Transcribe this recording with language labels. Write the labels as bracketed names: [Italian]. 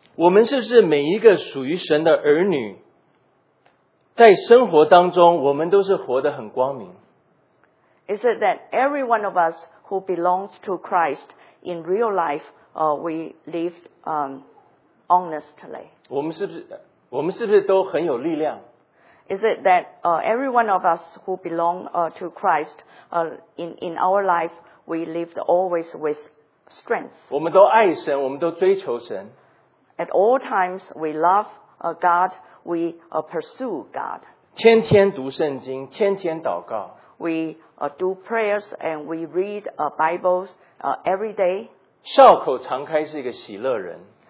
[Chinese] 我们是不是每一个属于神的儿女，在生活当中，我们都是活得很光明？ [English] Is it that every one of us who belongs to Christ in real life, we live honestly? [Chinese] 我们是不是都很有力量？ [English] Is it that every one of us who belong to Christ in our life, we live always with strength? [Chinese] 我们都爱神，我们都追求神。 [English] At all times, we love God, we pursue God. [Chinese] 天天读圣经，天天祷告。 [English] We do prayers and we read Bibles every day. [Chinese] 笑口常开是一个喜乐人。